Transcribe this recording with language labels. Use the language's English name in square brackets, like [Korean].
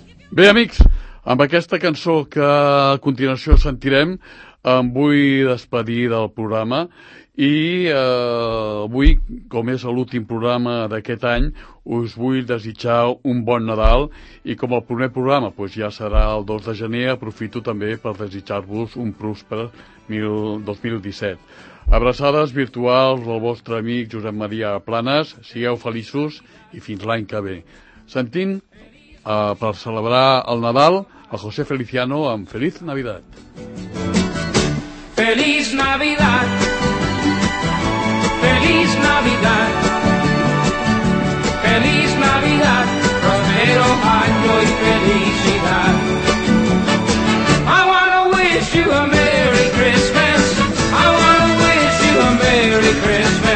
[Catalan] Bé, amics, amb aquesta cançó que a continuació sentirem, em vull despedir del programa i avui, com és l'últim programa d'aquest any, us vull desitjar un bon Nadal i com el primer programa doncs ja serà el 2 de gener, aprofito també per desitjar-vos un pròsper 2017. Abraçades virtuals del vostre amic Josep Maria Planas, sigueu feliços i fins l'any que ve. Sentint per celebrar el Nadal, a José Feliciano amb Feliz Navidad. [Spanish] Feliz Navidad, Feliz Navidad, Feliz Navidad, próspero año y felicidad. [English] I want to wish you a Merry Christmas, I want to wish you a Merry Christmas.